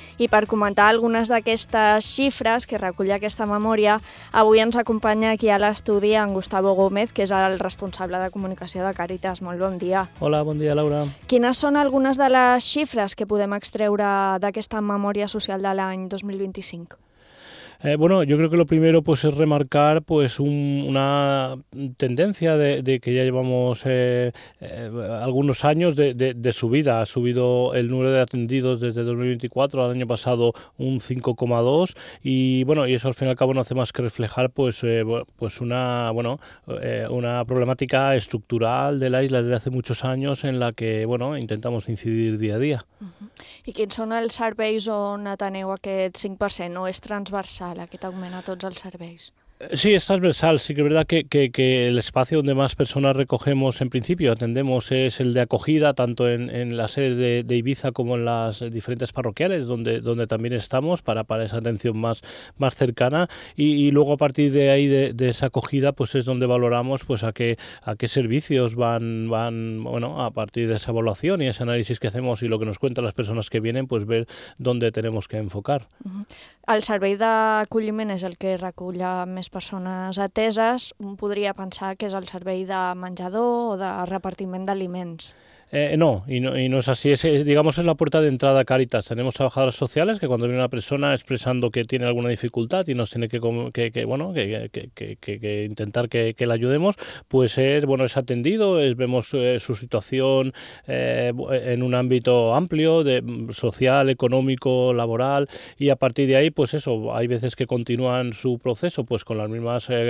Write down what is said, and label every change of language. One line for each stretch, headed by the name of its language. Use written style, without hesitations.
Catalan: I per comentar algunes d'aquestes xifres que recull aquesta memòria, avui ens acompanya aquí a l'estudi en Gustavo Gómez, que és el responsable de comunicació de Càritas. Molt bon dia. Hola, bon dia, Laura. Quines són algunes de les xifres que podem extreure d'aquesta memòria social de l'any 2025?
Spanish: Bueno, yo creo que lo primero pues es remarcar pues una tendencia de que ya llevamos algunos años de subida. Ha subido el número de atendidos desde 2024 al año pasado un 5,2 y bueno, y eso al fin y al cabo no hace más que reflejar una problemática estructural de la isla desde hace muchos años en la que bueno, intentamos incidir día a día.
Catalan: I quins són els serveis on ateneu aquest 5%? ¿O és transversal aquest augment a tots els serveis?
Spanish: Sí, es transversal. Sí que es verdad que el espacio donde más personas recogemos en principio, atendemos, es el de acogida, tanto en la sede de Ibiza como en las diferentes parroquiales donde también estamos para esa atención más cercana. Y luego a partir de ahí, de esa acogida, pues es donde valoramos pues a qué servicios van bueno, a partir de esa evaluación y ese análisis que hacemos y lo que nos cuentan las personas que vienen, pues ver dónde tenemos que enfocar.
Catalan: El servei d'acolliment és el que recull més persones ateses. Un podria pensar que és el servei de menjador o de repartiment d'aliments.
Spanish: No es así. Digamos, es la puerta de entrada a Càritas. Tenemos trabajadoras sociales que cuando viene una persona expresando que tiene alguna dificultad y nos tiene que intentar que la ayudemos, pues es atendido, vemos su situación en un ámbito amplio, de social, económico, laboral, y a partir de ahí, pues eso, hay veces que continúan su proceso pues con las mismas